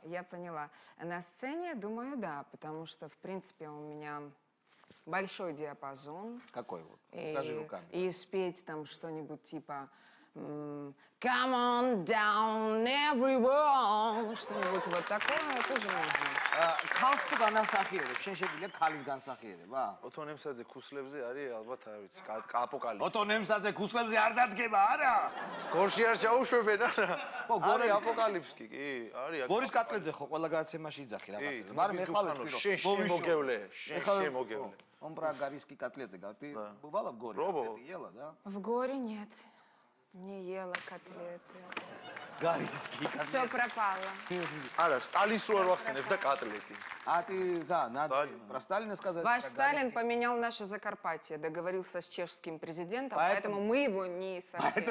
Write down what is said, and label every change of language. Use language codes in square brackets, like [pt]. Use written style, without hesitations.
[ru] Я поняла. На сцене, думаю, да. Потому что, в принципе, у меня большой диапазон. Какой вот? Покажи руками. И спеть там что-нибудь типа [en] «Come on down, everyone!» [ru] Что-нибудь вот такое тоже можно. [ka] Халфту განასახიერებს, შენ შეგვიძლია ქალის განსახიერება? ოთო ნემსაძე ქუსლებზე არის ალბათ, არ ვიცი, აპოკალიფსი. ოთო ნემსაძე ქუსლებზე არ დადგება, არა? გორში არ ჩაუშვებენ, არა? ხო, გორი აპოკალიფსი კი, არის. გორის კატლეძე ხო ყველა გადაცემაში იძახი რაღაცას, მაგრამ ეხლავე თქვი, რომ შემოგევლე, შემოგევლე. [ru] Он про гориски котлеты говорит. Ты бывала в горе? Ты ела, да? В горе нет. Не ела котлеты. Гарийские котлеты. Все пропало. Ара, Сталин сруэр вахсенев, да котлеты. А ты, да, надо про Сталина сказать. Ваш Сталин поменял наше Закарпатье, договорился с чешским президентом, поэтому мы его не совсем любим.